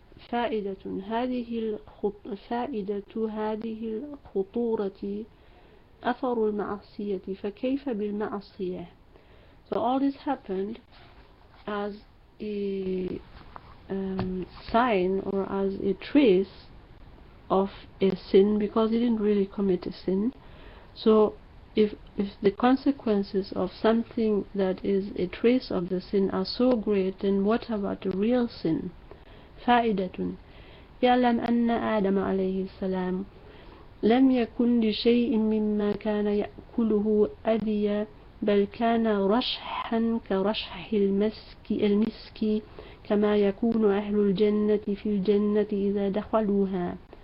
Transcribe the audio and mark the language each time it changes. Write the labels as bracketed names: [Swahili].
[Arabic] فائدة هذه فائدة هذه الخطورة أثر المعصية. فكيف بالمعصية؟ [English] So all this happened as a sign or as a trace of a sin, because he didn't really commit a sin. So if the consequences of something that is a trace of the sin are so great, then what about the real sin? [Arabic] فائدة. يعلم أن آدم عليه السلام لم يكن لشيء مما كان يأكله أذية بل كان رشحا كرشح المسك كما يكون أهل الجنة في الجنة إذا دخلوها.